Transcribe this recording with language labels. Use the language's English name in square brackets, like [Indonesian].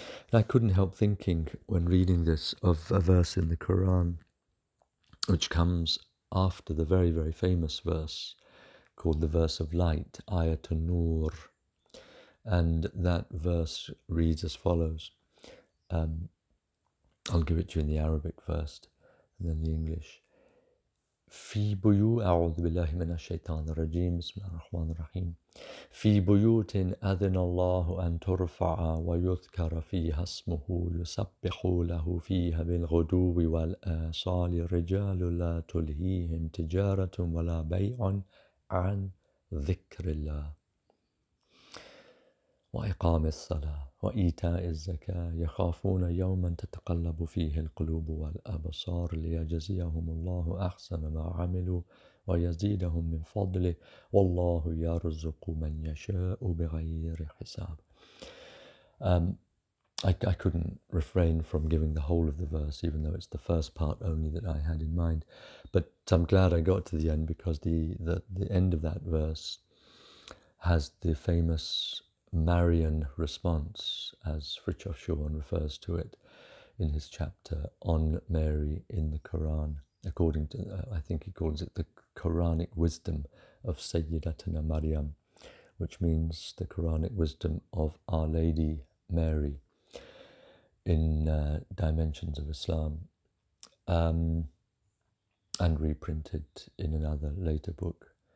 [English] And I couldn't help thinking when reading this of a verse in the Quran, which comes after the very, very famous verse called the verse of light, Ayatun Nur. And that verse reads as follows. I'll give it to you in the Arabic first, and then the English. [Arabic] في بيوت أعوذ بالله من الشيطان الرجيم بسم الله الرحمن الرحيم في بيوت أذن الله أن ترفع ويذكر فيها اسمه يسبح له فيها بالغدو والآصال رجال لا تلهيهم تجارة ولا بيع عن ذكر الله وإقام الصلاة وإيتاء الزكاة يخافون يوما تتقلب فيه القلوب والأبصار ليجزيهم الله أحسن ما عملوا ويزيدهم من فضله والله يرزق من يشاء بغير حساب. [English] I couldn't refrain from giving the whole of the verse, even though it's the first part only that I had in mind, but I'm glad I got to the end, because the end of that verse has the famous Marian response, as Fritjof Schuon refers to it in his chapter on Mary in the Quran, according to, I think he calls it the Quranic wisdom of Sayyidatina Maryam, which means the Quranic wisdom of Our Lady Mary in Dimensions of Islam, and reprinted in another later book.